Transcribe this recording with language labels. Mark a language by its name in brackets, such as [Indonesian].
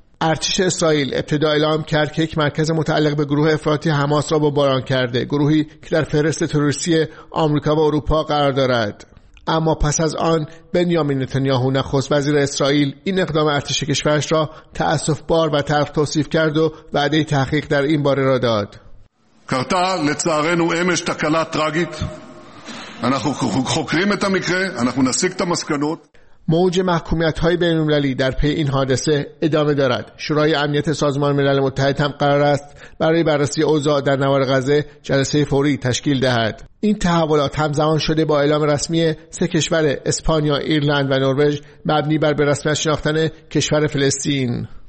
[Persian] ارتش اسرائیل ابتدا اعلام کرد که یک مرکز متعلق به گروه افراطی حماس را بمباران کرده، گروهی که در فهرست تروریستی آمریکا و اروپا قرار دارد. اما پس از آن بنیامین نتانیاهو نخست وزیر اسرائیل این اقدام ارتش کشورش را تأسف بار و تلخ توصیف کرد و وعده تحقیق در این باره را داد. [Hebrew] קרתה לצערנו אמש תקלה טרגית. אנחנו חוקרים את המקרה, אנחנו נסיק את המסקנות. [Persian] موج محکومیت‌های بین‌المللی در پی این حادثه ادامه دارد. شورای امنیت سازمان ملل متحد هم قرار است برای بررسی اوضاع در نوار غزه جلسه فوری تشکیل دهد. این تحولات همزمان شده با اعلام رسمی سه کشور اسپانیا، ایرلند و نروژ مبنی بر به رسمیت شناختن کشور فلسطین.